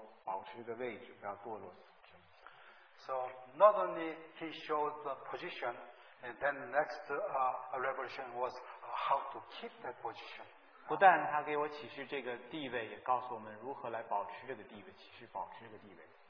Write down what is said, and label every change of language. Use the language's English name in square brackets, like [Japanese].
[Chinese] 所以就要在自己的坚固的位置上能够保持一个位置，不要堕落。 [English] So not only he showed the position, and then next revelation was how to keep that position. [Chinese] 不但他给我启示这个地位，也告诉我们如何来保持这个地位，启示保持这个地位。